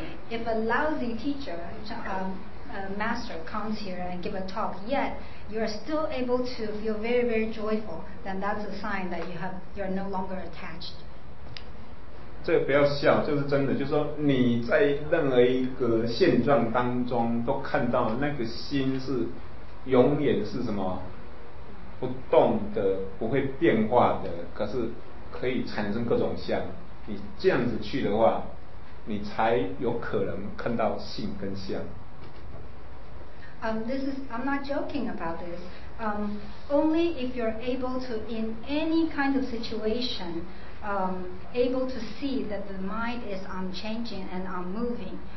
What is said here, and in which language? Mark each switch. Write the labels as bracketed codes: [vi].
[en] If a lousy teacher, a master comes here and give a talk, yet you are still able to feel very, very joyful, then that's a sign that you're no longer attached. [zh] 这个不要笑，就是真的，就是说你在任何一个现状当中都看到那个心是。永远是什么不动的，不会变化的，可是可以产生各种相。你这样子去的话，你才有可能看到性跟相。 [en] I'm not joking about this. Only if you're able to in any kind of situation, able to see that the mind is unchanging and unmoving.